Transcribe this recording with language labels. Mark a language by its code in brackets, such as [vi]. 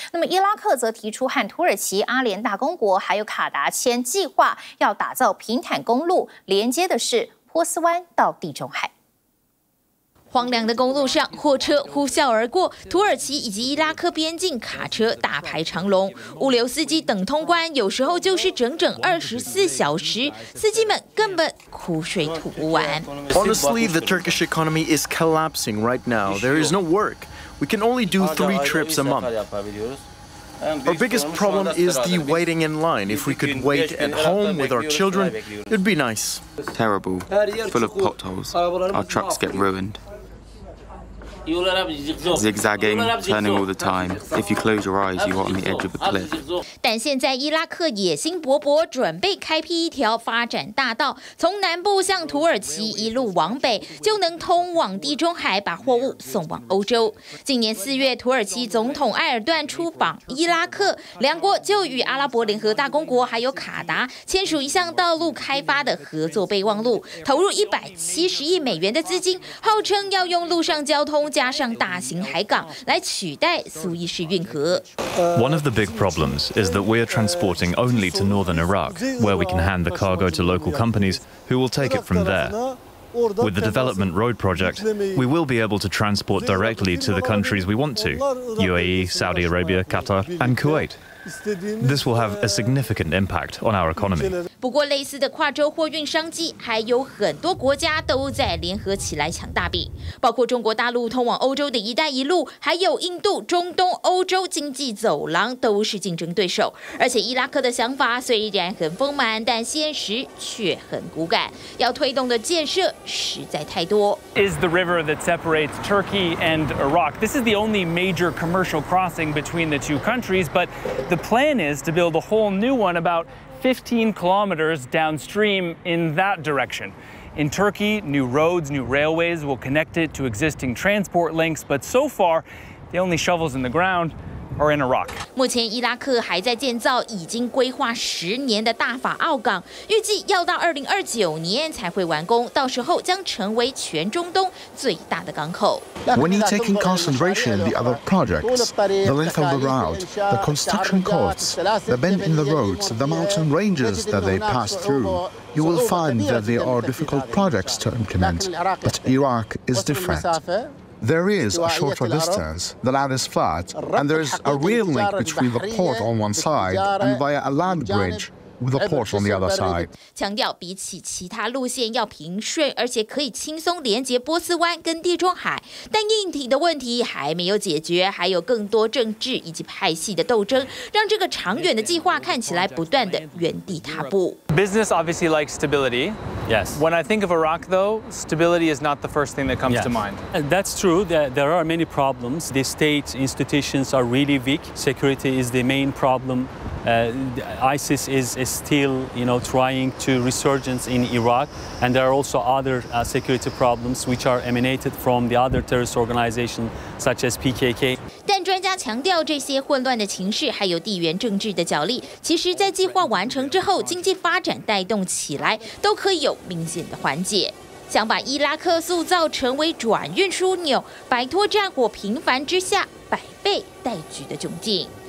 [zh] 那么伊拉克则提出和土耳其、阿联大公国还有卡达签计划，要打造平坦公路，连接的是波斯湾到地中海。荒凉的公路上，货车呼啸而过，土耳其以及伊拉克边境卡车大排长龙，物流司机等通关，有时候就是整整24小时，司机们根本苦水吐不完。 [en] Honestly, the Turkish economy is collapsing right now. There is no work. We can only do 3 trips a month. Our biggest problem is the waiting in line. If we could wait at home with our children, it'd be nice. Terrible, full of potholes. Our trucks get ruined. zigzagging, turning all the time. If you close your eyes, you are on the edge of a cliff. [zh] 但现在伊拉克野心勃勃，准备开辟一条发展大道，从南部向土耳其一路往北，就能通往地中海，把货物送往欧洲。今年四月，土耳其总统埃尔段出访伊拉克，两国就与阿拉伯联合大公国还有卡达签署一项道路开发的合作备忘录，投入170亿美元的资金，号称要用陆上交通加上大型海港来取代苏伊士运河。 [en] One of the big problems is that we are transporting only to northern Iraq, where we can hand the cargo to local companies who will take it from there. With the development road project, we will be able to transport directly to the countries we want to, UAE, Saudi Arabia, Qatar, and Kuwait. This will have a significant impact on our economy. [zh] 不过类似的跨洲货运商机还有很多国家都在联合起来抢大饼，包括中国大陆通往欧洲的一带一路，还有印度、中东、欧洲经济走廊都是竞争对手。而且伊拉克的想法虽然很丰满，但现实却很骨感，要推动的建设实在太多。 [en] Is the river that separates Turkey and Iraq. This is the only major commercial crossing between the two countries, but the plan is to build a whole new one about 15 kilometers downstream in that direction. In Turkey, new roads, new railways will connect it to existing transport links, but so far, the only shovels in the ground. Or in Iraq. [zh] 目前伊拉克还在建造已经规划十年的大法奥港，预计要到2029年才会完工，到时候将成为全中东最大的港口。 [en] When you take in concentration the other projects, the length of the route, the construction costs, the bend in the roads, the mountain ranges that they pass through, you will find that they are difficult projects to implement. But Iraq is different. There is a shorter distance, the land is flat, and there is a rail link between the port on one side and via a land bridge with the port on the other side. [zh] 强调比起其他路线要平顺，而且可以轻松连接波斯湾跟地中海，但硬体的问题还没有解决，还有更多政治以及派系的斗争，让这个长远的计划看起来不断的原地踏步。 [en] Business obviously likes stability. Yes. When I think of Iraq, though, stability is not the first thing that comes to mind. That's true. There are many problems. The state institutions are really weak. Security is the main problem. ISIS is still, you know, trying to resurgence in Iraq. And there are also other security problems which are emanated from the other terrorist organizations such as PKK. [zh] 但专家强调，这些混乱的情势还有地缘政治的角力，其实在计划完成之后，经济发展带动起来都可以有明显的缓解。想把伊拉克塑造成为转运枢纽，摆脱战火频繁之下百倍待举的窘境。